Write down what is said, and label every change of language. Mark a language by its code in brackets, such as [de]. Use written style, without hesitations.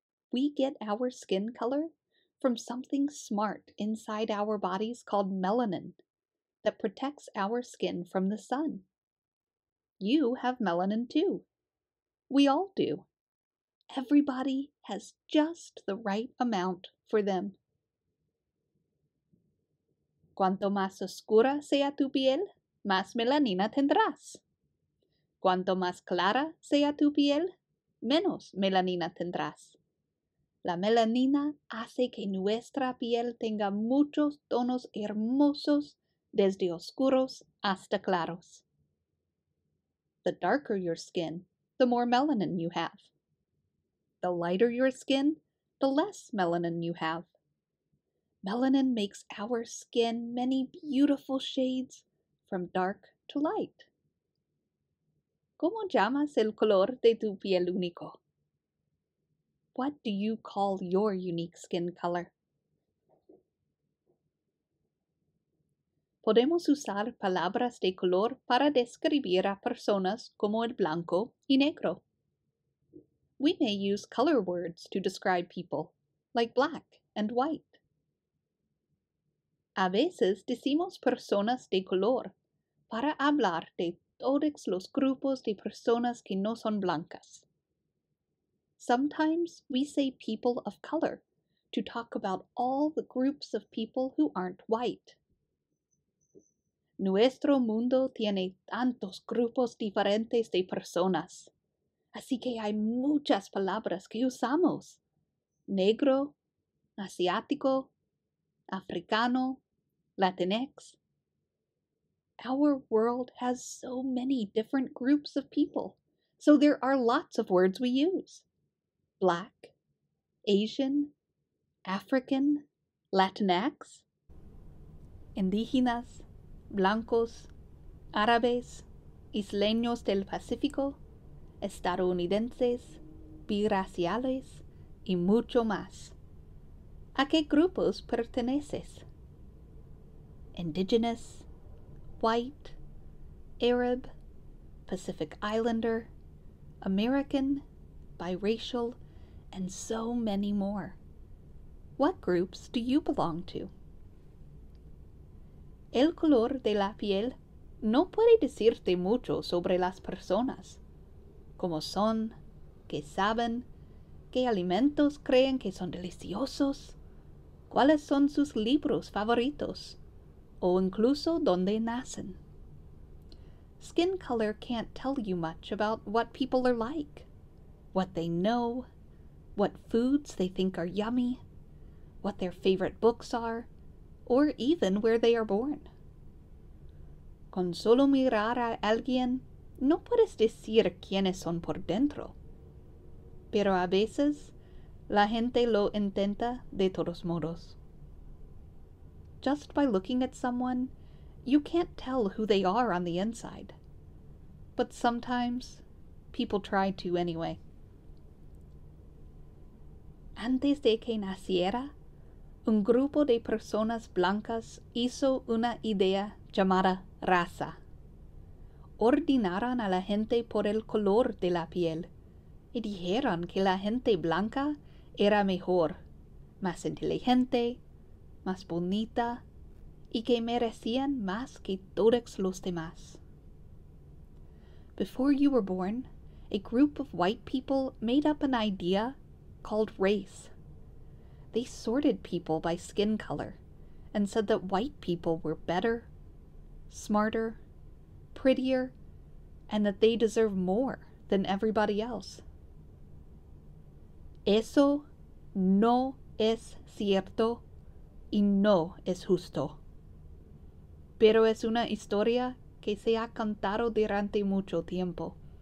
[en] We get our skin color from something smart inside our bodies called melanin that protects our skin from the sun. You have melanin too. We all do. Everybody has just the right amount for them. [es] Cuanto más oscura sea tu piel, más melanina tendrás. Cuanto más clara sea tu piel, menos melanina tendrás. La melanina hace que nuestra piel tenga muchos tonos hermosos, desde oscuros hasta claros. [en] The darker your skin, the more melanin you have. The lighter your skin, the less melanin you have. Melanin makes our skin many beautiful shades from dark to light. [es] ¿Cómo llamas el color de tu piel único? [en] What do you call your unique skin color? [es] Podemos usar palabras de color para describir a personas como el blanco y negro. [en] We may use color words to describe people, like black and white. [es] A veces decimos personas de color para hablar de todos los grupos de personas que no son blancas. [en] Sometimes we say people of color to talk about all the groups of people who aren't white. [es] Nuestro mundo tiene tantos grupos diferentes de personas. Así que hay muchas palabras que usamos. Negro, asiático, africano, Latinx. [en] Our world has so many different groups of people, so there are lots of words we use. Black, Asian, African, Latinx, [es] indígenas, blancos, árabes, isleños del Pacífico, estadounidenses, biraciales, y mucho más. ¿A qué grupos perteneces? [en] Indigenous, white, Arab, Pacific Islander, American, biracial, and so many more. What groups do you belong to? [es] El color de la piel no puede decirte mucho sobre las personas. Cómo son, qué saben, qué alimentos creen que son deliciosos, cuáles son sus libros favoritos, o incluso dónde nacen. [en] Skin color can't tell you much about what people are like, what they know, what foods they think are yummy, what their favorite books are, or even where they are born. [es] Con solo mirar a alguien, no puedes decir quiénes son por dentro. Pero a veces, la gente lo intenta de todos modos. [en] Just by looking at someone, you can't tell who they are on the inside. But sometimes, people try to anyway. [es] Antes de que naciera, un grupo de personas blancas hizo una idea llamada raza. Ordenaron a la gente por el color de la piel y dijeron que la gente blanca era mejor, más inteligente, más bonita y que merecían más que todos los demás. [en] Before you were born, a group of white people made up an idea called race. They sorted people by skin color and said that white people were better, smarter, prettier, and that they deserve more than everybody else. [es] Eso no es cierto y no es justo. Pero es una historia que se ha contado durante mucho tiempo.